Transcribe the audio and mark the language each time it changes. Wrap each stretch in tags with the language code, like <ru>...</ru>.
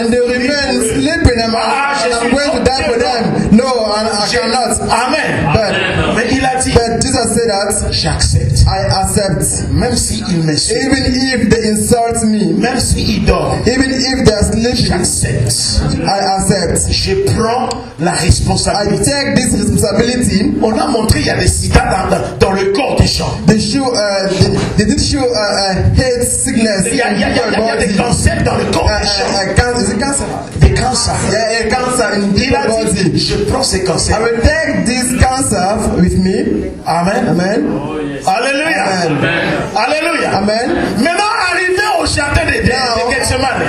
<en>and they remain sleeping. I'm going to die for them. No, I cannot. Amen. But Jesus said that.</en> <fr>J'accepte.</fr> <en>I accept.</en> <fr>Même si il me</fr> <en>suit. Even if they insult me.</en> <fr>Même si il dort.</fr> <en>Even if they are sleeping.</en> <fr>J'accepte.</fr> <en>I accept.</en> <fr>Je prends la responsabilité.</fr> <en>I take this responsibility.</en> <fr>On a montré il y a des cicatrices dans le corps des gens.</fr> <en>They did show head sickness.</en> <fr>Il y a des cancers dans le corps des gens.</fr> <en>Cancer. Yeah, cancer.</en> <fr>Il a dit, je prends ces cancers.</fr> <en>I will take this cancer with me. Amen. Amen. Oh, yes. Alléluia. Amen. Alléluia. Amen.</en> <fr>Maintenant, arrivé au château de Gethsemane.</fr>